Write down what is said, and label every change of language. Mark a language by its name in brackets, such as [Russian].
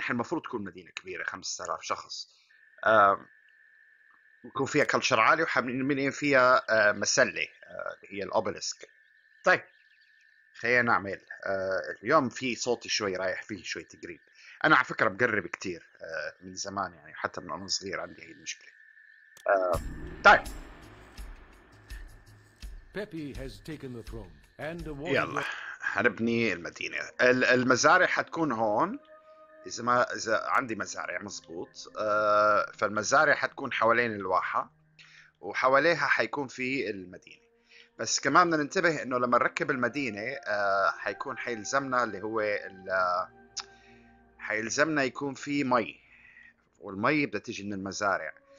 [Arabic] احنا المفروض تكون مدينه كبيره 5000 شخص، يكون فيها كلتشر عالي، وحنبني فيها مسلة اللي هي الأوبلسك. طيب خلينا نعمل اليوم. في صوتي شوي رايح، فيه شوي تقريب. أنا على فكرة مقرب كتير من زمان، يعني حتى من وأنا صغير عندي هي المشكلة. طيب [English] Pepe has taken the throne and [Arabic] يلا حنبني المدينة. المزارع حتكون هون، إذا عندي مزارع مظبوط. فالمزارع حتكون حوالين الواحة، وحواليها حيكون في المدينة. بس كمان بدنا ننتبه إنه لما نركب المدينة حيكون حيلزمنا اللي هو حيلزمنا يكون في مي، والمي بدها تيجي من المزارع.